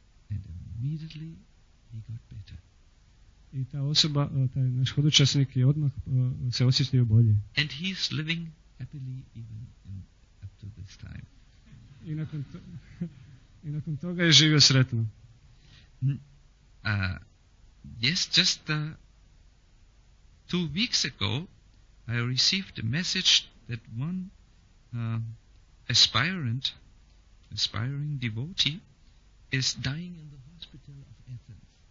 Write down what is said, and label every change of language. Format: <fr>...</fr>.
<en>And immediately he got better.</en> <hr>I ta osoba, taj naš hodočasnik je odmah se osjećao bolje.</hr> <en>And he's living happily even up to this time.</en> <hr>I nakon toga je živio sretno.</hr> <en>Yes, just 2 weeks ago I received a message that one aspiring devotee is dying in the hospital of Athens.</en>